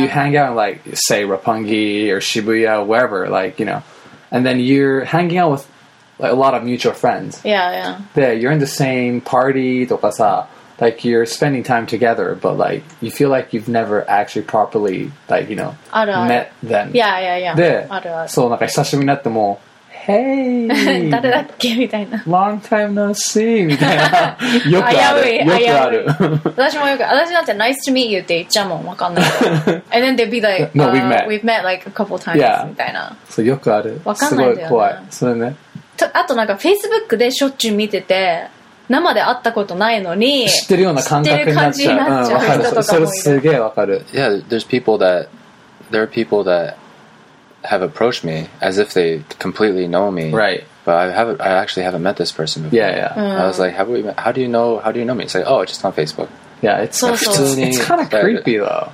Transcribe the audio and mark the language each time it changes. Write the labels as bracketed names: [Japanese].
[English] You hang out in like, say, Roppongi or Shibuya, wherever, like, you know. And then you're hanging out with like, a lot of mutual friends. Yeah, yeah. [Japanese] で、 [English] You're in the same party [Japanese] とかさ、 [English] Like, you're spending time together, but like, you feel like you've never actually properly, like, you know, [Japanese] あるある [English] met them. Yeah, yeah, yeah. [Japanese] で、あるある。そう、なんか久しぶりになっても、 [English] Hey! [Japanese] 誰だっけみたいな。 [English] Long time no see! [Japanese] みたいな。よくある。よくある。私もよく、私なんて [English] Nice to meet you [Japanese] って言っちゃうもん、わかんない。 [English] And then they'd be like, No, we've met. We've met like a couple times,、 yeah. [Japanese] みたいな。そう、よくある。わかんないんだよ、ね。すごい怖い。それね。とあとなんか Facebook でしょっちゅう見てて、生で会ったことないのに知ってるような感覚になっちゃう。知ってる感じになっちゃう人とかもいる。それすげえわかる。 [English] Yeah, there's people that there are people that have approached me as if they completely know me. Right. But I actually haven't met this person before. Yeah, yeah.、 Mm. I was like, have we? How do you know me? It's like, oh, it's just on Facebook. Yeah, it's so, [Japanese] 普通に。 [English] It's kind of creepy though.